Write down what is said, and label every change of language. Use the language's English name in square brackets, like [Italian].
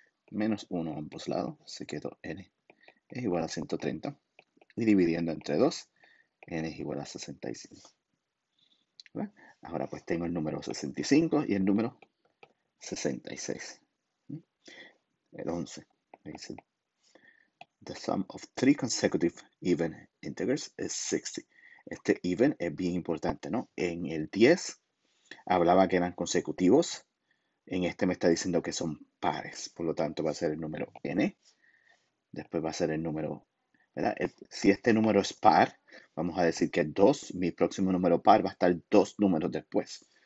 [Spanish] Menos 1 a ambos lados, se quedó n es igual a 130. Y dividiendo entre 2, n es igual a 65. ¿Vale? Ahora pues tengo el número 65 y el número 66. El 11. Me dice, [English] the sum of three consecutive even integers is 60. [Spanish] Este even es bien importante, ¿no? En el 10 hablaba que eran consecutivos. En este me está diciendo que son pares. Por lo tanto va a ser el número n. Después va a ser el número, ¿verdad? Si este número es par, vamos a decir que 2, mi próximo número par va a estar dos números después.